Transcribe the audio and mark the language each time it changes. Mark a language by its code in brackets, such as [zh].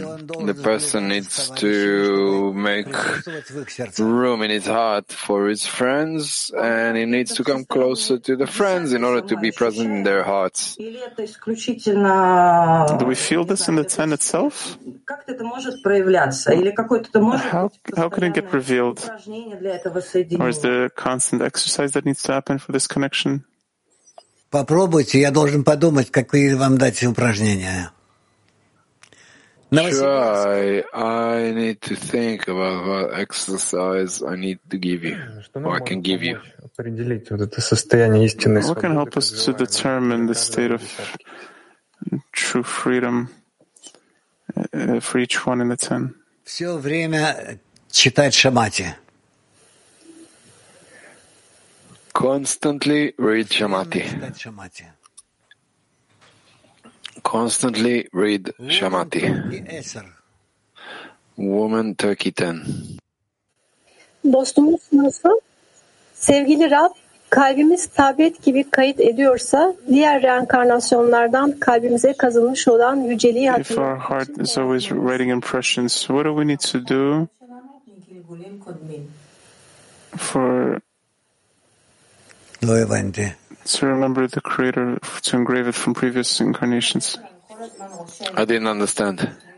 [en] The person needs to make room in his heart for his friends, and he needs to come closer to the friends in order to be present in their hearts. Do we feel this in the ten itself? How can it get revealed? Or is there a constant exercise that needs to happen for this connection? [ru] Попробуйте, я должен подумать, какие вам дать упражнения. [en] Try. I need to think about what exercise I need to give you, or I can give you. [ru] Определить вот это состояние истинной свободы. [en] What can help us to determine the state of true freedom for each one in the ten? [ru] Все время читать Шамати. [en] Constantly read Shamati. Constantly read Shamati. Woman Turkey 10. [tr] Dostumuz nasıl? Sevgili Rab, kalbimiz tabiat gibi kayıt ediyorsa, diğer reenkarnasyonlardan kalbimize kazınmış olan yüceliği hatırlıyoruz. [en] If our heart is always writing impressions, what do we need to do for to remember the Creator, to engrave it from previous incarnations? I didn't understand.